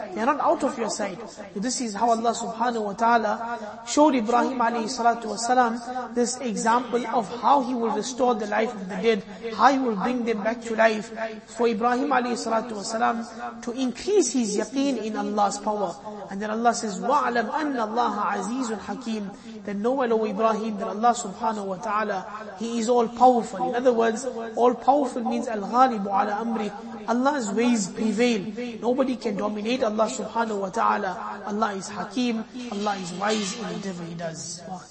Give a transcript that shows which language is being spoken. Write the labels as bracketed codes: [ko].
[en] They are not out of your sight. This is how Allah subhanahu wa ta'ala showed Ibrahim alayhi salatu wa salam this example of how He will restore the life of the dead, how He will bring them back to life. For Ibrahim alayhi salatu wa salam to increase his yaqeen in Allah's power. And then Allah says, [ar] وَعْلَمْ أَنَّ اللَّهَ عَزِيزٌ حَكِيمٌ. [en] Then know well, O Ibrahim, that Allah subhanahu wa ta'ala, He is all powerful. In other words, all powerful means [ar] الْغَالِبُ عَلَى أَمْرِهِ. [en] Allah's ways prevail. Nobody can dominate Allah subhanahu wa ta'ala. Allah is Hakim. Allah is wise in whatever He does.